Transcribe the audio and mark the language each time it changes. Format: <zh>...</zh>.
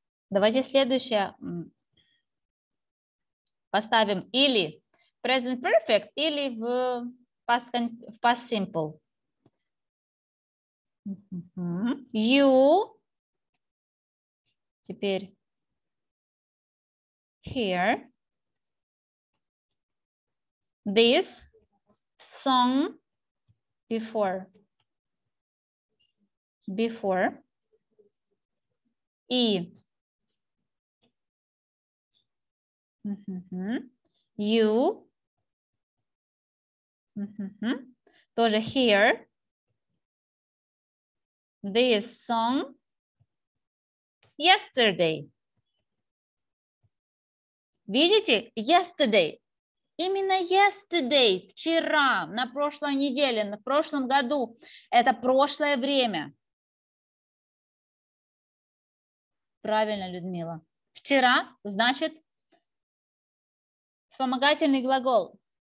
<ru>Давайте следующее поставим или present perfect, или в past simple.</ru> <en>You,</en> <ru>теперь,</ru> <en>hear this song before, before, и, you,</en> <ru>тоже</ru> <en>hear, this song yesterday.</en> <ru>Видите? Yesterday. Именно yesterday, вчера, на прошлой неделе, на прошлом году. Это прошлое время. Правильно, Людмила. Вчера, значит, вспомогательный глагол.</ru>